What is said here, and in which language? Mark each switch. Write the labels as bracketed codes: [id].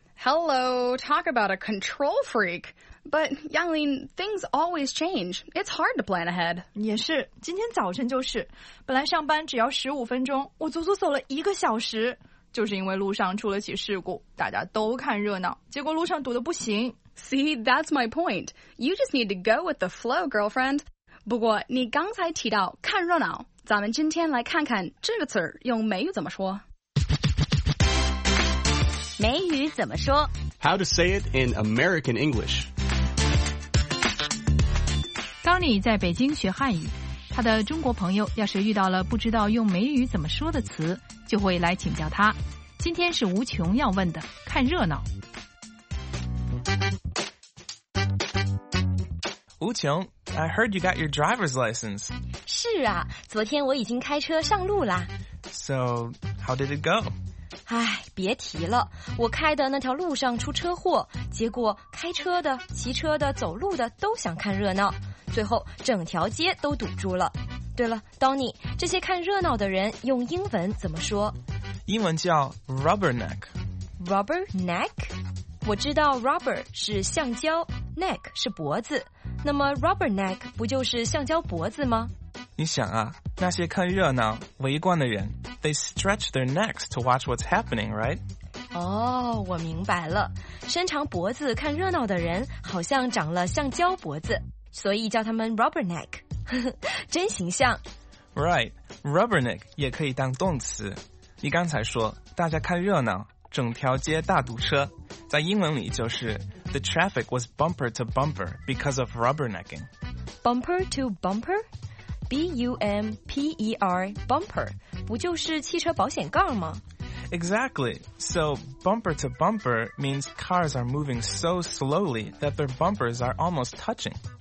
[en] Hello, talk about a control freak. But, Yanglin, things always change. It's hard to plan ahead. [zh] 也是，今天早晨就是，本来上班只要15分钟，我足足走了一个小时，就是因为路上出了起事故，大家都看热闹，结果路上堵得不行。 [en] See, that's my point. You just need to go with the flow, girlfriend. [zh] 不过，你刚才提到看热闹，咱们今天来看看这个词儿用美语怎么说。美语怎么说？ [en] How to say it in American English. [zh] Tony 在北京学汉语，他的中国朋友要是遇到了不知道用美语怎么说的词，就会来请教他。今天是无穷要问的，看热闹。 [en] 无穷， I heard you got your driver's license. [zh] 是啊，昨天我已经开车上路了。 [en] So, how did it go? [zh] 哎，别提了，我开的那条路上出车祸，结果开车的、骑车的、走路的都想看热闹，最后整条街都堵住了。对了 ，Donny， 这些看热闹的人用英文怎么说？英文叫 rubberneck。 rubberneck？ 我知道 rubber 是橡胶 ，neck 是脖子，那么 rubberneck 不就是橡胶脖子吗？你想啊，那些看热闹、围观的人。 [en] They stretch their necks to watch what's happening, right? [zh] Oh, 我明白了。伸长脖子看热闹的人好像长了橡胶脖子，所以叫他们 rubberneck. 真形象。 Right, rubberneck 也可以当动词。你刚才说，大家看热闹，整条街大堵车。在英文里就是 [en] The traffic was bumper to bumper because of rubbernecking. Bumper to bumper? B-U-M-P-E-R, bumper, [zh] 不就是汽车保险杠吗？ [en] Exactly. So, bumper to bumper means cars are moving so slowly that their bumpers are almost touching.